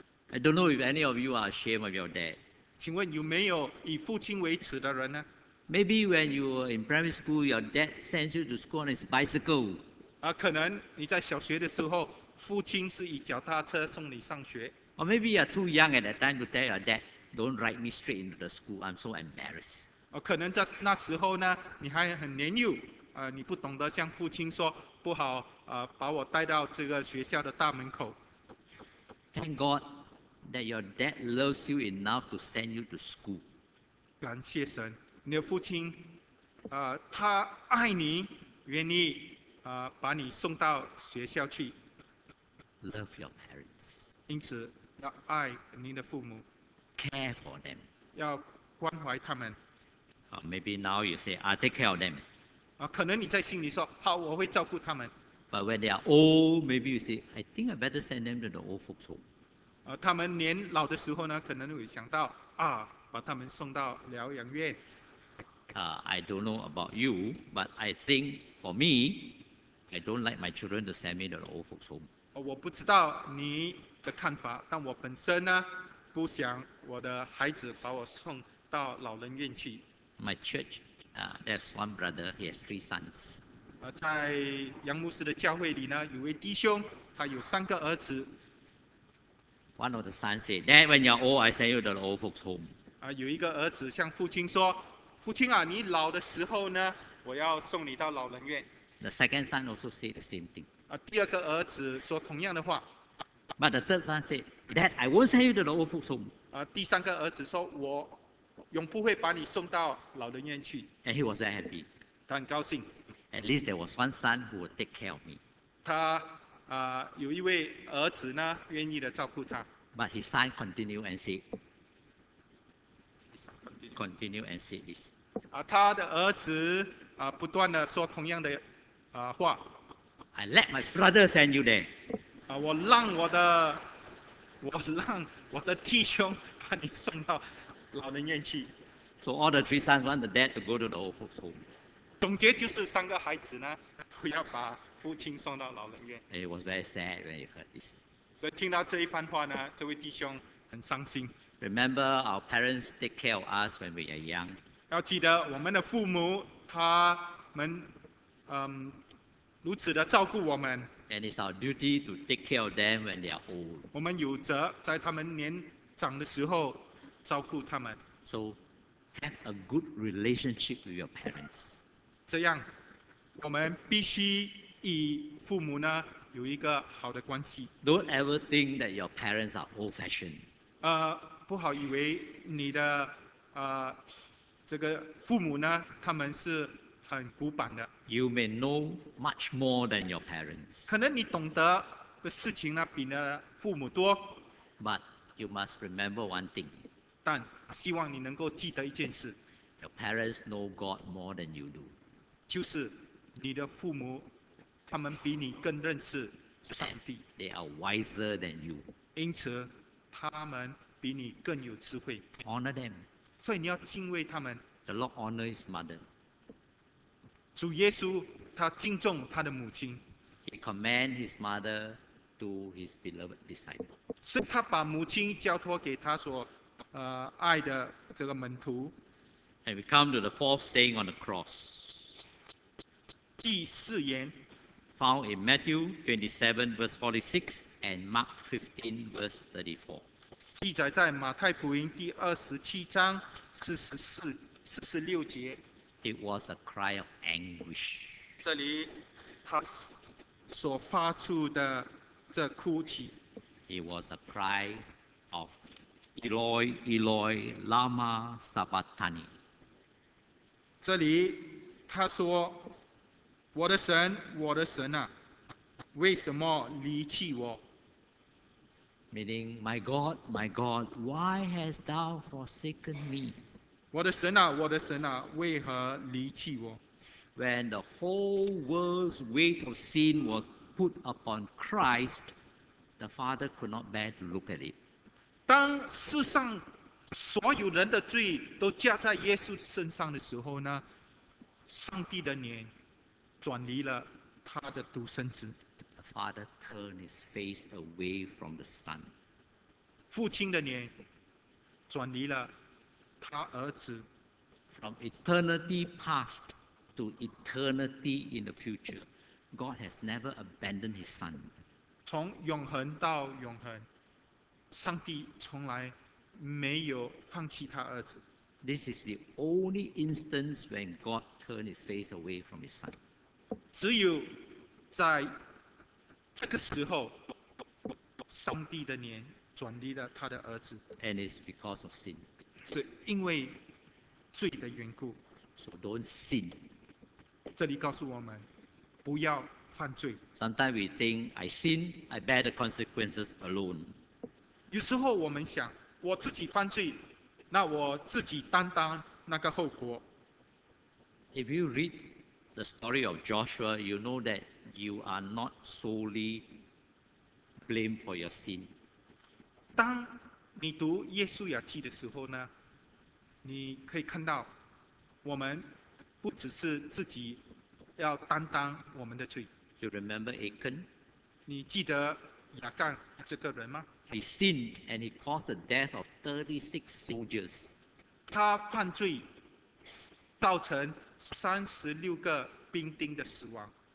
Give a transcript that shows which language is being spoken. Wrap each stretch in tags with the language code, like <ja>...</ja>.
<en>I don't know if any of you are ashamed of your dad.</en> <zh>请问有没有以父亲为耻的人呢？</zh> <en>Maybe when you were in primary school, your dad sends you to school on his bicycle.</en> <zh>可能你在小学的时候，父亲是以脚踏车送你上学。</zh> <en>Or maybe you're too young at that time to tell your dad, don't ride me straight into the school, I'm so embarrassed.</en> <zh>可能在那时候呢，你还很年幼，你不懂得向父亲说，不好把我带到这个学校的大门口。</zh> <en>Thank God that your dad loves you enough to send you to school.</en> <zh>感谢神。你的父亲，他爱你，愿意把你送到学校去。</zh> <en>Love your parents.</en> <zh>因此，要爱您的父母。</zh> <en>Care for them.</en> <zh>要关怀他们。</zh> <en>Maybe now you say, I'll take care of them.</en> <zh>可能你在心里说，好，我会照顾他们。</zh> <en>But when they are old, maybe you say, I think I better send them to the old folks' home.</en> <zh>他们年老的时候呢，可能会想到啊，把他们送到疗养院。</zh> <en>I don't know about you, but I think for me, I don't like my children to send me to the old folks' home.</en> <zh>我不知道你的看法，但我本身呢，不想我的孩子把我送到老人院去。</zh> <en>My church, there's one brother, he has three sons.</en> <zh>在杨牧师的教会里呢，有位弟兄，他有三个儿子。</zh> <en>One of the sons said, Dad, when you're old, I send you to the old folks' home.</en> <zh>有一个儿子向父亲说，父亲啊，你老的时候呢，我要送你到老人院。</zh> <en>The second son also said the same thing.</en> <zh>第二个儿子说同样的话。</zh> <en>But the third son said, Dad, I won't send you to the old folks home.</en> <zh>第三个儿子说，我永不会把你送到老人院去。</zh> <en>And he was very happy.</en> <zh>他很高兴。</zh> <en>At least there was one son who would take care of me.</en> <zh>他有一位儿子呢，愿意的照顾他。</zh> <en>But his son continued and said, this.</en> <zh>他的儿子不断的说同样的话。</zh> <en>I let my brother send you there.</en> <zh>我让我的弟兄把你送到老人院去。</zh> <en>So all the three sons want the dad to go to the old folks home.</en> <zh>总结就是三个孩子呢，不要把父亲送到老人院。</zh> <en>It was very sad when he heard this.</en> <zh>所以听到这一番话呢，这位弟兄很伤心。</zh> <en>Remember, our parents take care of us when we are young.</en> <zh>要记得我们的父母，他们如此的照顾我们。</zh> <en>And it's our duty to take care of them when they are old.</en> <zh>我们有责在他们年长的时候照顾他们。</zh> <en>So, have a good relationship with your parents.</en> <zh>这样，我们必须与父母呢有一个好的关系。</zh> <en>Don't ever think that your parents are old-fashioned.</en> <zh>不好以为你的这个父母呢，他们是很古板的。</zh> <en>You may know much more than your parents.</en> <zh>可能你懂得的事情呢，比你的父母多。</zh> <en>But you must remember one thing.</en> <zh>但希望你能够记得一件事。</zh> <en>Your parents know God more than you do.</en> <zh>就是你的父母，他们比你更认识上帝。</zh> <en>They are wiser than you.</en> <zh>因此，他们比你更有智慧。</zh> <en>Honor them.</en> <zh>所以你要敬畏他们。</zh> <en>The Lord honors his mother.</en> <zh>主耶稣他敬重他的母亲。</zh> <en>He commands his mother to his beloved disciple.</en> <zh>所以他把母亲交托给他所爱的这个门徒。</zh> <en>And we come to the fourth saying on the cross.</en> <zh>第四言。</zh> <en>Found in Matthew 27 verse 46 and Mark 15 verse 34.</en> <zh>记载在马太福音第二十七章四十六节。</zh> <en>It was a cry of anguish.</en> <zh>这里他所发出的这哭泣。</zh> <en>It was a cry of</en> <arc>Eloi, Eloi, lama sabachthani.</arc> <zh>这里他说：“我的神，我的神啊，为什么离弃我？”</zh> <en>Meaning, my God, my God, why hast thou forsaken me?</en> <zh>我的神啊，我的神啊，为何离弃我？</zh> <en>When the whole world's weight of sin was put upon Christ, the Father could not bear to look at it.</en> <zh>当世上所有人的罪都加在耶稣身上的时候呢，上帝的脸转离了他的独生子。</zh> <en>Father turned his face away from the son.</en> <zh>父亲的脸转离了他儿子。</zh> <en>From eternity past to eternity in the future, God has never abandoned his son.</en> <zh>从永恒到永恒，上帝从来没有放弃他儿子。</zh> <en>This is the only instance when God turned his face away from his son.</en> <zh>只有在这个时候，上帝的脸转离了他的儿子。</zh> <en>And it's because of sin.</en> <zh>是因为罪的缘故。</zh> <en>So don't sin.</en> <zh>这里告诉我们，不要犯罪。</zh> <en>Sometimes we think I sin, I bear the consequences alone.</en> <zh>有时候我们想，我自己犯罪，那我自己担当那个后果。</zh> <en>If you read the story of Joshua, you know that. You are not solely blamed for your sin.</en> <zh>当你读耶稣雅记的时候呢，你可以看到，我们不只是自己要担当我们的罪。</zh> <en>You remember Achan?</en> <zh>你记得雅干这个人吗？</zh> <en>He sinned and he caused the death of 36 soldiers.</en> <zh>他犯罪，造成36个兵丁的死亡。</zh>